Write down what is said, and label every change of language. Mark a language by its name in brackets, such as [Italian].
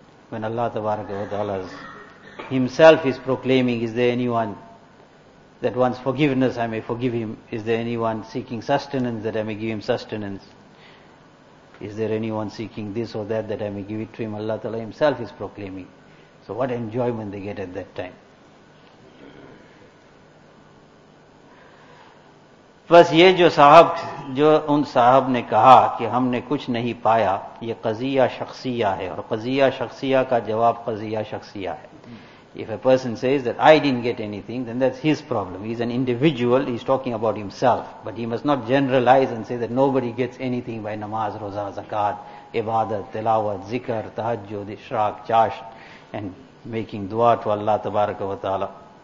[English] When Allah tabaraka wa ta'ala himself is proclaiming, is there anyone that wants forgiveness, I may forgive him. Is there anyone seeking sustenance, that I may give him sustenance? Is there anyone seeking this or that, that I may give it to him? Allah Ta'ala himself is proclaiming. So what enjoyment they get at that time. [Urdu] بس یہ جو صاحب جو ان صاحب نے کہا کہ ہم نے کچھ نہیں پایا, یہ قضیہ شخصیہ ہے, اور قضیہ شخصیہ کا جواب قضیہ شخصیہ ہے. [English] If a person says that I didn't get anything, then that's his problem. He's an individual, he's talking about himself. But he must not generalize and say that nobody gets anything by namaz, roza, zakat, ibadat, tilawat, zikr, tahajjud, ishraq, chasht, and making dua to Allah tabaraka wa ta'ala.